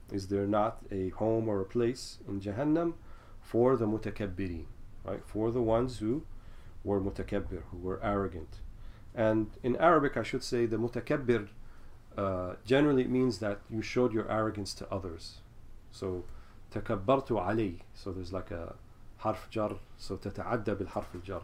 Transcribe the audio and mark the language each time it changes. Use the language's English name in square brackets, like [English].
[English] Is there not a home or a place in Jahannam for the mutakabbirin? Right? For the ones who were mutakabbir, who were arrogant. And in Arabic, I should say, the mutakabbir generally means that you showed your arrogance to others. [Arabic] So, تَكَبَّرْتُ عَلَيْ. [English] So there's like a harf jar. So, [Arabic] تَتَعَدَّ بِالْحَرْفِ [English] jar.